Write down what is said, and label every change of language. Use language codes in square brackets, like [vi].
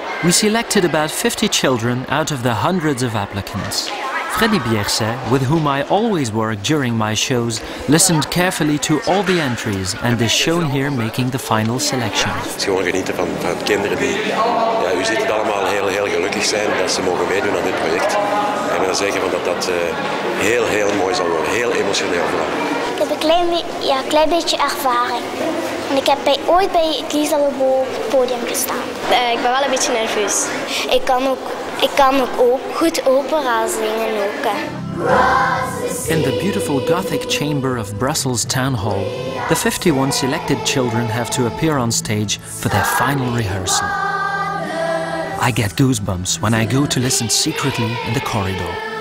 [en] We selected about 50 children out of the hundreds of applicants. Freddy Bierset, with whom I always work during my shows, listened carefully to all the entries and is shown here making the final selection. [nl] Het is gewoon genieten van kinderen die, ja, u ziet het allemaal, heel heel gelukkig zijn dat ze mogen meedoen aan dit project. En we zeggen van dat heel heel mooi zal worden, heel emotioneel vooral. Ik heb een klein beetje ervaring. En ik heb ooit bij Lisa Leboe op het podium gestaan. Ik ben wel een beetje nerveus. Ik kan ook goed opera zingen ook. [en] In the beautiful Gothic chamber of Brussels Town Hall, the 51 selected children have to appear on stage for their final rehearsal. I get goosebumps when I go to listen secretly in the corridor.